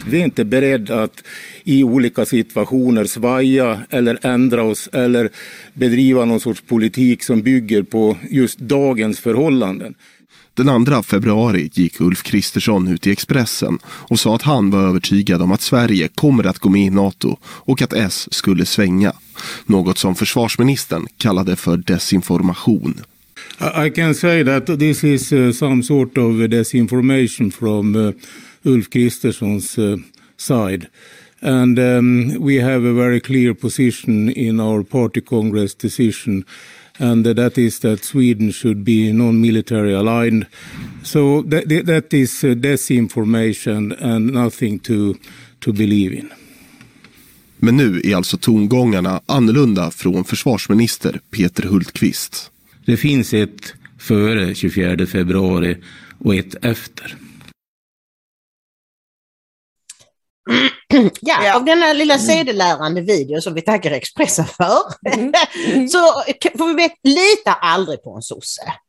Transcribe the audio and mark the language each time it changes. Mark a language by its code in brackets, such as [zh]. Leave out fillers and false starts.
[sv] Vi är inte beredda att i olika situationer svaja eller ändra oss eller bedriva någon sorts politik som bygger på just dagens förhållanden. Den 2 februari gick Ulf Kristersson ut i Expressen och sa att han var övertygad om att Sverige kommer att gå med i NATO och att S skulle svänga. Något som försvarsministern kallade för desinformation. [en] I can say that this is some sort of disinformation from Ulf Kristerssons side. And we have a very clear position in our party congress decision. And that is that Sweden should be non-military aligned. So that is disinformation and nothing to believe in. [sv] Men nu är alltså tongångarna annorlunda från försvarsminister Peter Hultqvist. Det finns ett före 24 februari och ett efter. Ja, av den här lilla sedelärande video som vi tackar Expressen för så får vi veta, lita aldrig på en sosse.